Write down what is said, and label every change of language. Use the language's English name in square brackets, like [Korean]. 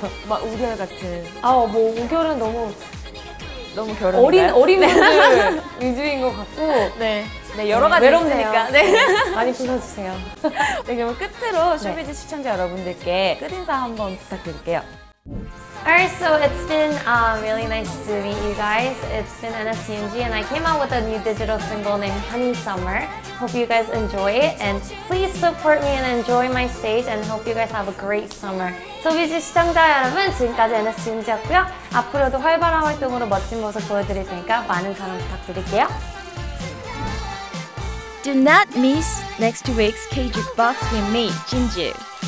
[Korean] 막 우결 같은 아 뭐 우결은 너무 너무 결혼인가요? 어린 분들 위주인 것 같고 네, 네 여러 가지 있으니까 네. 많이 불러주세요. 네, 그럼 끝으로 쇼비즈 네. 시청자 여러분들께 끝인사 한번 부탁드릴게요. [English] Alright, so it's been really nice to meet you guys. It's been NSCNG and I came out with a new digital single named Honey Summer. Hope you guys enjoy it and please support me and enjoy my stage and hope you guys have a great summer. [Korean] 소비즈 시청자 여러분, 지금까지 NSCNG였고요. 앞으로도 활발한 활동으로 멋진 모습 보여드릴 테니까 많은 사랑 부탁드릴게요. [English] Do not miss next week's K-Jukebox with me, Jinju.